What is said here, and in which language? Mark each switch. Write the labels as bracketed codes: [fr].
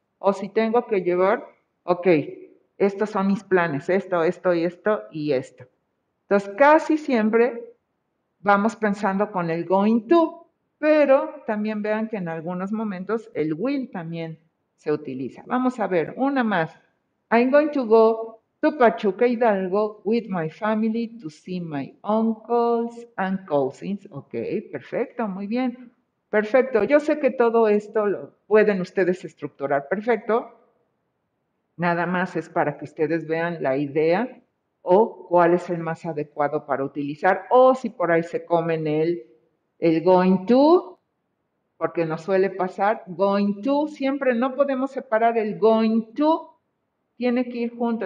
[es] O si tengo que llevar, ok, estos son mis planes, esto, esto y esto y esto. Entonces casi siempre vamos pensando con el going to. Pero también vean que en algunos momentos el will también se utiliza. Vamos a ver, una más. [en] I'm going to go to Pachuca, Hidalgo, with my family to see my uncles and cousins. [es] Ok, perfecto, muy bien. Perfecto, yo sé que todo esto lo pueden ustedes estructurar. Perfecto. Nada más es para que ustedes vean la idea o cuál es el más adecuado para utilizar o si por ahí se comen el going to, porque nos suele pasar, going to, siempre no podemos separar el going to, tiene que ir junto.